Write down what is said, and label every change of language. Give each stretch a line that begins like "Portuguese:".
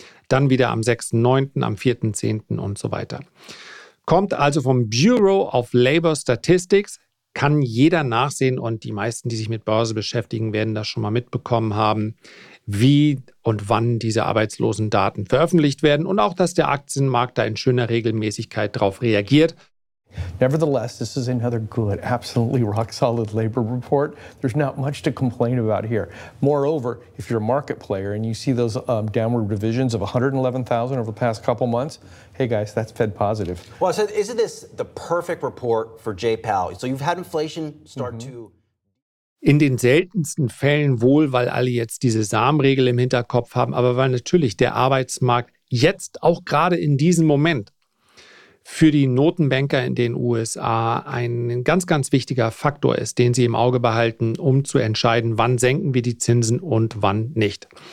German: Dann wieder am 6.9., am 4.10. und so weiter. Kommt also vom Bureau of Labor Statistics. Kann jeder nachsehen und die meisten, die sich mit Börse beschäftigen, werden das schon mal mitbekommen haben, wie und wann diese Arbeitslosendaten veröffentlicht werden und auch, dass der Aktienmarkt da in schöner Regelmäßigkeit drauf reagiert.
English: Nevertheless, this is another good, absolutely rock-solid labor report. There's not much to complain about here. Moreover, if you're a market player and you see those downward revisions of 111,000 over the past couple months, hey guys, that's Fed positive. Well, so isn't this the perfect report for Jay Powell? So you've had inflation start to...
German: In den seltensten Fällen wohl, weil alle jetzt diese SAM-Regel im Hinterkopf haben, aber weil natürlich der Arbeitsmarkt jetzt auch gerade in diesem Moment für die Notenbanker in den USA ein ganz, ganz wichtiger Faktor ist, den sie im Auge behalten, um zu entscheiden, wann senken wir die Zinsen und wann nicht.